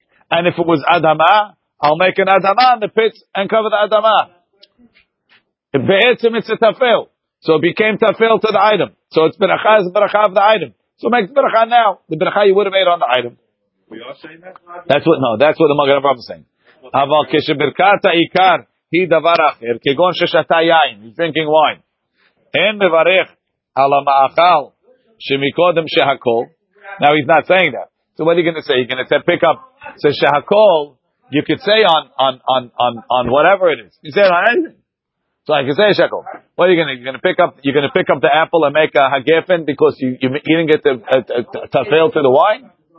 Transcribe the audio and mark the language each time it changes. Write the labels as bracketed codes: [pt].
[en] And if it was adama, I'll make an adama on the pits and cover the adama. Be'etzim it's a tafel, so it became tafel to the item. So it's beracha is beracha of the item. So make the beracha now, the beracha you would have made on the item. We are saying that. That's what the Magen Avraham is saying. [he] אבל כשברכת העיקר היא דבר אחר, כגון ששתה יין, [en] he's drinking wine, [he] אין מברך על המאכל שמקודם שהכל. [en] Now he's not saying that. So what are you going to say? You're going to say pick up. So שהכל, you could say on whatever it is. You say on anything. So I can say שהכל. What are you going to do? You're going to pick up the apple and make a hagefen because you didn't get to fail to the wine?